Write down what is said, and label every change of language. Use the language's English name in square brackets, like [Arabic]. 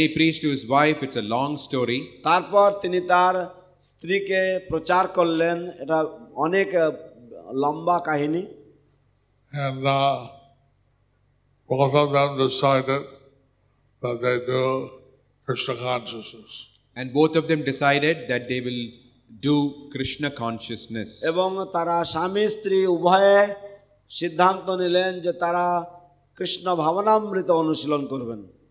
[English] he preached to his wife, it's a long story. [Bangla] তারপর তিনি তার স্ত্রীকে প্রচার করলেন এটা অনেক লম্বা কাহিনী [English] And both of them decided that they do Krishna consciousness. And both of them decided that they will do Krishna consciousness. [Bangla] এবং তারা স্বামী স্ত্রী উভয়ে সিদ্ধান্ত নিলেন যে তারা কৃষ্ণ ভাবনামৃত অনুশীলন করবেন